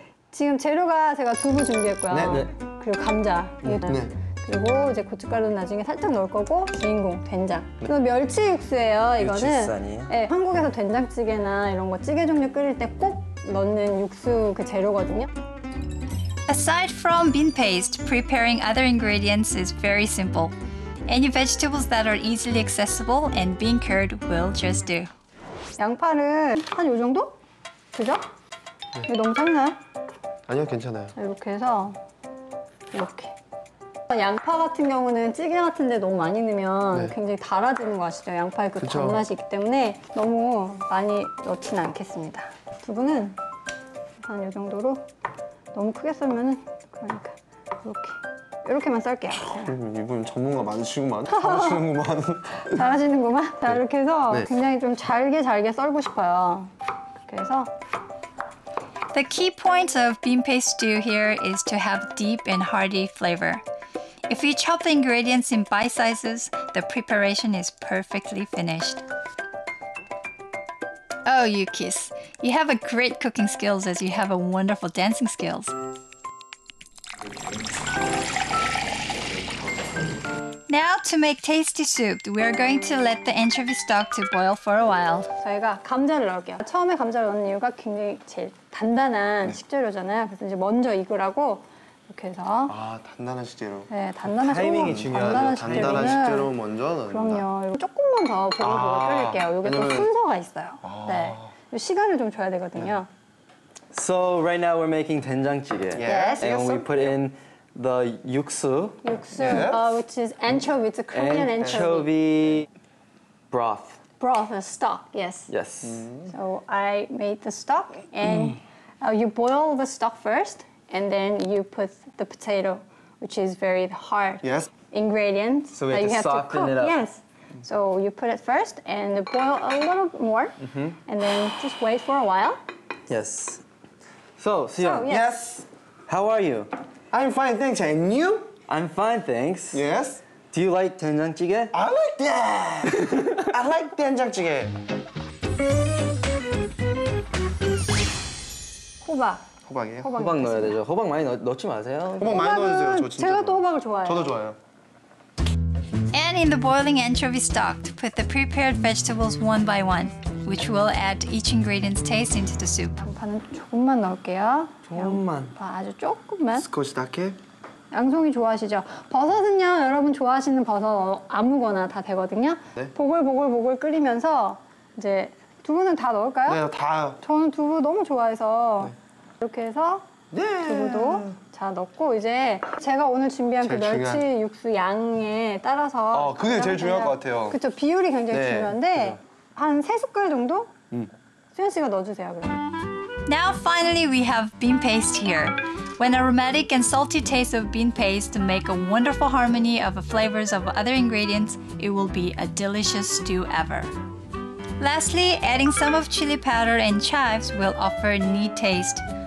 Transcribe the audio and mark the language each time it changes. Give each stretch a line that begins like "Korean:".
Korean: 지금 재료가 제가 두부 준비했고요. 네, 네. 그리고 감자. 네. 그리고 이제 고춧가루는 나중에 살짝 넣을 거고 주인공 된장. 네. 이거 멸치 육수예요. 이거는. 육수산이에요. 네. 한국에서 된장찌개나 이런 거 찌개 종류 끓일 때 꼭 넣는 육수 그 재료거든요.
English: Aside from bean paste, preparing other ingredients is very simple. Any vegetables that are easily accessible and bean curd will just do.
Korean: 양파는 한 요 정도? 그죠? 네. 너무 작나요? 아니요, 괜찮아요. 이렇게 해서 이렇게. 양파 같은 경우는 찌개 같은 데 너무 많이 넣으면 네. 굉장히 달아지는 거 아시죠? 양파의 그 단맛이 있기 때문에 너무 많이 넣지는 않겠습니다. 두부는 한 요 정도로. 너무 크게 썰면은 그러니까 이렇게 이렇게만 썰게요. 이분 전문가 많으시구만. 잘하시는구만. 잘하시는구만. 자 네. 이렇게 해서 네. 굉장히 좀 잘게 잘게 썰고 싶어요. 그래서
English: The key point of bean paste stew here is to have deep and hearty flavor. If you chop the ingredients in bite sizes, the preparation is perfectly finished. Oh, Yukis, you have a great cooking skills as you have a wonderful dancing skills. Now to make tasty soup, we are going to let the anchovy stock to boil for a while.
Korean: 저희가 감자를 넣을게요. 처음에 감자를 넣는 이유가 굉장히 제일 단단한 식재료잖아요. 그래서 이제 먼저 익으라고 이렇게 해서. 아, 단단한 식재료. 네, 단단한 식재료. 타이밍이 중요하죠. 단단한 식재료는, 단단한 식재료는 먼저 넣는다. 그럼요. 조금만 더 보고 끓일게요. 이게 또 순서가 있어요. 네. 시간을 좀 줘야 되거든요.
English: So right now we're making 된장찌개. Yes. And we put in the 육수. 육수. Yeah. Which is anchovy. It's a Korean anchovy. Anchovy broth. Broth, a stock. Yes. Yes. Mm. So I made the stock, and you boil the stock first, and then you put the potato, which is very hard. Yes. Ingredient. So we have to soften it up. Yes. So you put it first and boil a little more, and then just wait for a while. Yes. So, Siyoung. So, yes. How are you? I'm fine, thanks. And you? I'm fine, thanks. Yes. Do you like 된장찌개? I like that. I like 된장찌개.
Korean: 호박. 호박이에요? 호박, 호박 넣어야 되죠. 호박 많이 넣지 마세요. 호박 많이 넣어주세요. 저 진짜 제가 또 호박을 좋아해요. 저도 좋아요.
English: And in the boiling anchovy stock, put the prepared vegetables one by one, which will add each ingredient's taste into the soup.
Korean: 양파는 조금만 넣을게요. 조금만. 아주 조금만. 스쿼시 닭에. 양송이 좋아하시죠? 버섯은요, 여러분 좋아하시는 버섯 아무거나 다 되거든요. 네. 보글보글 끓이면서 이제 두부는 다 넣을까요? 네, 다요. 저는 두부 너무 좋아해서 네. 이렇게 해서 네. 두부도 다 넣고 이제 제가 오늘 준비한 그 멸치 중요한. 육수 양에 따라서 그게 제일 중요할 것 같아요. 그렇죠, 비율이 굉장히 네. 중요한데 그쵸. 한 세 숟갈 정도? 수현 씨가 넣어주세요, 그러면.
English: Now finally we have bean paste here. When aromatic and salty taste of bean paste make a wonderful harmony of flavors of other ingredients, it will be a delicious stew ever. Lastly, adding some of chili powder and chives will offer neat taste.